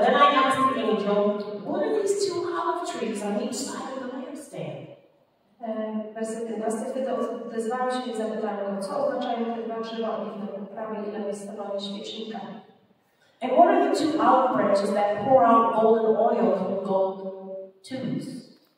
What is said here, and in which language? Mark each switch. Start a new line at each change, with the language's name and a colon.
English: Then I asked the angel, what are these two olive trees on each side of the lampstand? Verse 11.
Polish: Wtedy odezwałem się i zapytałem, co oznaczają te dwa drzewa oliwne po prawej i lewej stronie świecznika.
English: And what are the two olive branches that pour out golden oil from gold tubes?